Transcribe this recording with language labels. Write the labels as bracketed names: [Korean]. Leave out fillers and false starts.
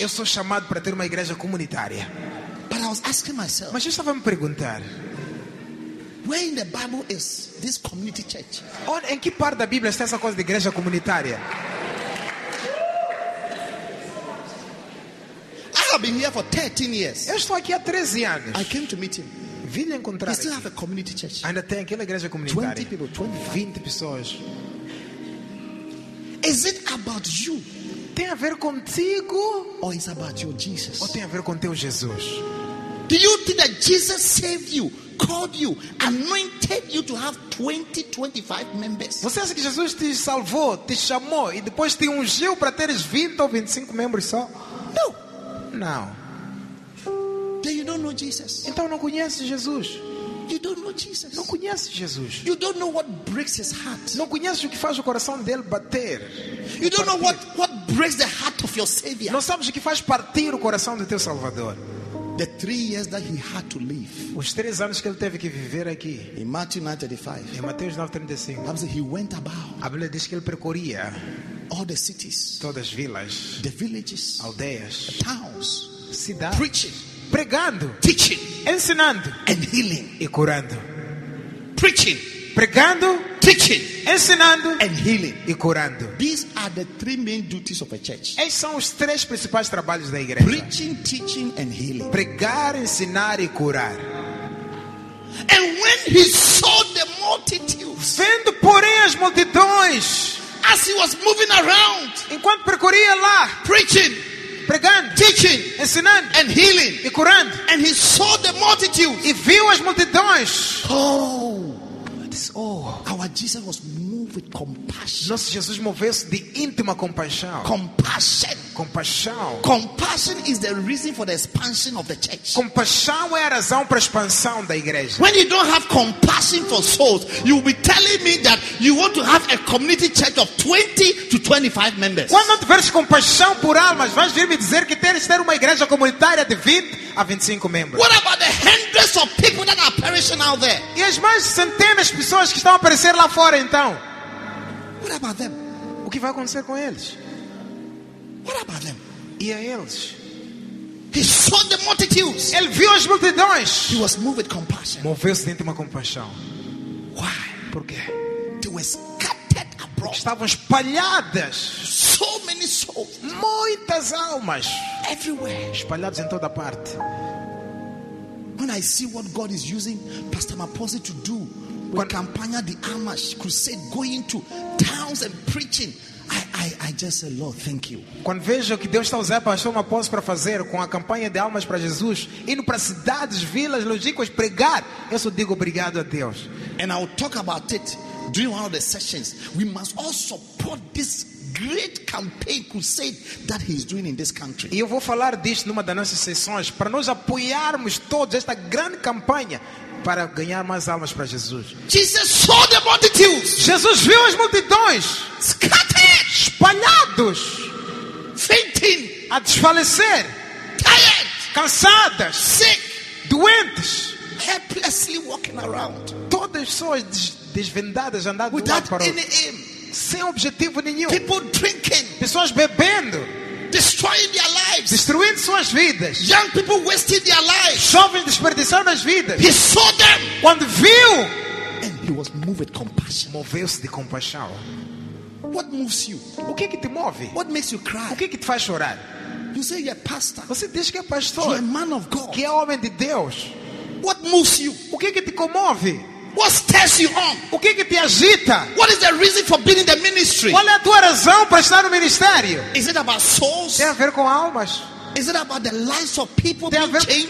[Portuguese] Eu sou chamado para ter uma igreja comunitária. [English] But I was asking myself. [Portuguese] Mas eu estava a me perguntar. [English] Where in the Bible is this community church? [Portuguese] Onde, em que parte da Bíblia está essa coisa de igreja comunitária? [English] I have been here for 13 years. [Portuguese] Eu estou aqui há 13 anos. [English] I came to meet him. [Portuguese] Vim encontrar. [English] He still has a community church. [Portuguese] Ainda tem aquela igreja comunitária. [English] 20 people, 20, [Portuguese] 20 pessoas. [English] Is it about you? [Portuguese] Tem a ver contigo? [English] Or is it about your Jesus? [Portuguese] Ou tem a ver com teu Jesus? [English] Do you think that Jesus saved you, called you, anointed you to have 20, 25 members? [Portuguese] Você acha que Jesus te salvou, te chamou e depois te ungiu para teres 20 ou 25 membros só? [English] No. [Portuguese] Não. [English] Then you don't know Jesus. [Portuguese] Então não conheces Jesus. [English] You don't know Jesus. [Portuguese] Não conheces Jesus. [English] You don't know what breaks his heart. [Portuguese] Não conheces o que faz o coração dele bater. [English] You don't know what breaks the heart of your Savior. [Portuguese] Não sabes o que faz partir o coração do teu Salvador. [English] The 3 years that he had to live. [Portuguese] Os 3 anos que ele teve que viver aqui. [English] In Matthew 9:35. [Portuguese] Em Mateus 9:35. [English] Obviously he went about. [Portuguese] A Bíblia diz que ele percorria [English] all the cities. [Portuguese] Todas as vilas. [English] The villages. [Portuguese] Aldeias. [English] The towns. [Portuguese] Cidades. [English] Preaching. [Portuguese] Pregando. [English] Teaching. [Portuguese] Ensinando. [English] And healing. [Portuguese] E curando. [English] Preaching. [Portuguese] Pregando. [English] Teaching. [Portuguese] Ensinando. [English] And healing. [Portuguese] E curando. [English] These are the three main duties of a church. [Portuguese] Esses são os três principais trabalhos da igreja. [English] Preaching, teaching and healing. [Portuguese] Pregar, ensinar e curar. [English] And when he saw the multitudes. [Portuguese] Vendo, porém, as multidões. [English] As he was moving around. [Portuguese] Enquanto percorria lá. [English] Preaching. [Portuguese] Pregando, [English] teaching, [Portuguese] ensinando, [English] and healing, [Portuguese] e curando. [English] And he saw the multitude. [Portuguese] E viu as multidões. [English] Oh, our Jesus was moved with compassion. [Portuguese] Nosso Jesus moveu-se de íntima compaixão. [English] Compassion. [Portuguese] Compaixão. [English] Compassion is the reason for the expansion of the church. [Portuguese] Compaixão é a razão para a expansão da igreja. [English] When you don't have compassion for souls, you will be telling me that you want to have a community church of 20 to 25 members. [Portuguese] Quando não tiveres compaixão por almas, vais vir me dizer que queres ter uma igreja comunitária de 20 a 25 membros. [English] What about the hundreds of people that are perishing out there? [Portuguese] E as mais centenas de pessoas que estão a aparecer lá fora, então? [English] What about them? [Portuguese] O que vai acontecer com eles? [English] What about them? [Portuguese] E a eles? [English] He saw the multitudes. [Portuguese] Ele viu as multidões. [English] He was moved with compassion. [Portuguese] Moveu-se dentro de uma compaixão. [English] Why? [Portuguese] Por quê? [English] They were scattered abroad. [Portuguese] Estavam espalhadas. [English] So many souls. [Portuguese] Muitas almas. [English] Everywhere. [Portuguese] Espalhadas em toda parte. [English] When I see what God is using Pastor Maposi to do with Campanha de Amas Crusade, going to towns and preaching, I just say, Lord, thank you. [Portuguese] Quando vejo que Deus está usando Pastor Maposi para fazer com a campanha de almas para Jesus, indo para cidades, vilas, logíquas, pregar, eu só digo obrigado a Deus. [English] And I'll talk about it during one of the sessions. We must all support this great campaign crusade that he is doing in this country. [Portuguese] E eu vou falar disto numa das nossas sessões, para nós apoiarmos todos esta grande campanha para ganhar mais almas para Jesus. [English] Jesus saw the multitudes. [Portuguese] Jesus viu as multidões. [English] Scattered. [Portuguese] Espalhados. [English] Fainting. [Portuguese] A desfalecer. [English] Tired. [Portuguese] Cansadas. [English] Sick. [Portuguese] Doentes. [English] Helplessly walking around. [Portuguese] Todas as pessoas desvendadas andando de lado para outro. Sem objetivo nenhum. [English] People drinking. [Portuguese] Pessoas bebendo. [English] Destroying their lives. [Portuguese] Destruindo suas vidas. [English] Young people wasting their lives. [Portuguese] Jovens desperdiçando as vidas. [English] He saw them. [Portuguese] Quando viu. [English] And he was moved with compassion. [Portuguese] Moveu-se de compaixão. [English] What moves you? [Portuguese] O que é que te move? [English] What makes you cry? [Portuguese] O que é que te faz chorar? [English] You say you're a pastor. [Portuguese] Você diz que é pastor. [English] You're a man of God. [Portuguese] Que é homem de Deus. [English] What moves you? [Portuguese] O que é que te comove? [English] What stirs you on? [Portuguese] O que é que te agita? [English] What is the reason for being in the ministry? [Portuguese] Qual é a tua razão para estar no ministério? [English] Is it about souls? [Portuguese] Tem a ver com almas? [English] Is it about the lives of people being changed?